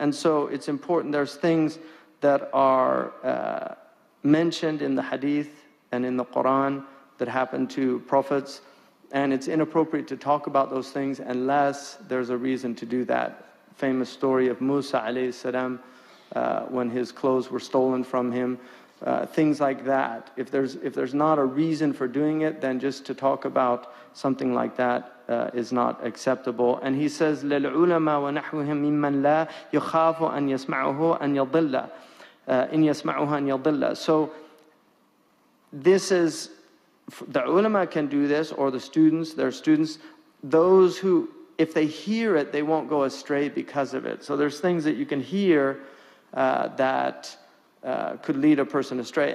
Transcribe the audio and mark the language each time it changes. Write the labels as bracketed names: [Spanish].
[English] And so it's important, there's things that are mentioned in the hadith and in the Quran that happened to prophets, and it's inappropriate to talk about those things unless there's a reason to do that. Famous story of Musa alayhi salam, when his clothes were stolen from him, things like that. If there's not a reason for doing it, then just to talk about something like that is not acceptable. And he says, [Arabic] لَلْعُلَمَا وَنَحْوِهِمْ مِمَّنْ لَا يُخَافُ أَنْ يَسْمَعُهُ أَنْ يَضِلَّ. إِنْ يَسْمَعُهَا أَنْ يَضِلَّ. [English] So this is, the ulama can do this, or the students, their students, those who, if they hear it, they won't go astray because of it. So there's things that you can hear that could lead a person astray.